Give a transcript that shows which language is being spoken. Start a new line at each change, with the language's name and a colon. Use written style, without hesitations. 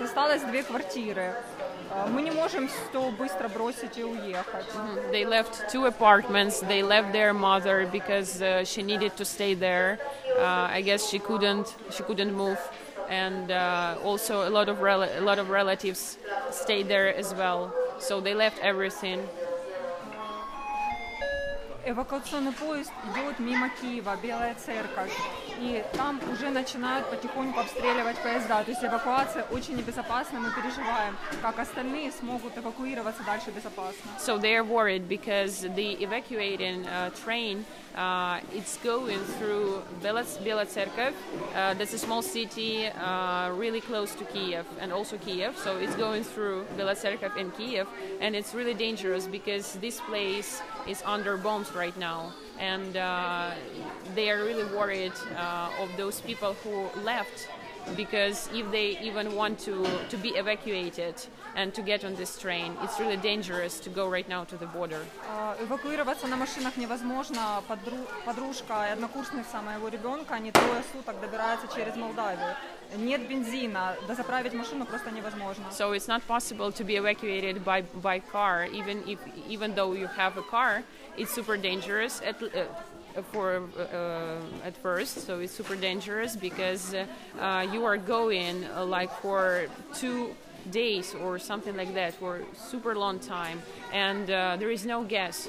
Russian: Осталось две квартиры. Мы не можем все быстро бросить и уехать.
English: They left two apartments. They left their mother because she needed to stay there. I guess she couldn't move. And also a lot of relatives stayed there as well. So they left everything.
Russian: Евакуационный поезд идет мимо Киева, Белая Церковь, и там уже начинают потихоньку обстреливать поезда. То есть эвакуация очень небезопасна. Мы переживаем, как остальные смогут эвакуироваться дальше безопасно.
English: So they are worried because the evacuating train it's going through Bela Tserkov. That's a small city really close to Kiev and also Kiev. So it's going through Bela Tserkov and Kiev, and it's really dangerous because this place is under bombs right now. And they are really worried of those people who left, because if they even want to be evacuated and to get on this train, it's really dangerous to go right now to the border.
Russian: Эвакуироваться на машинах невозможно. Подружка и однокурсник самого ребенка, они трое суток добираются через Молдавию. Нет бензина, дозаправить машину просто невозможно.
English: So it's not possible to be evacuated by car, even though you have a car. It's super dangerous at first, so it's super dangerous because you are going like for 2 days or something like that, for super long time, and there is no gas.